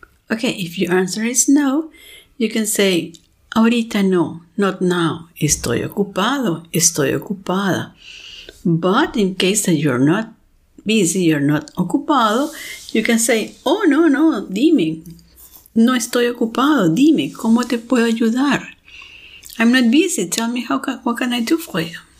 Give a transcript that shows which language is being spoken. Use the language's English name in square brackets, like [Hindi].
[English] Okay, if your answer is no, you can say, [Spanish] ahorita no, [English] not now. [Spanish] Estoy ocupado, estoy ocupada. [English] But in case that you're not busy, you're not ocupado, you can say, oh, no, no, [Spanish] dime. No estoy ocupado, dime, ¿cómo te puedo ayudar? [English] I'm not busy, tell me what can I do for you.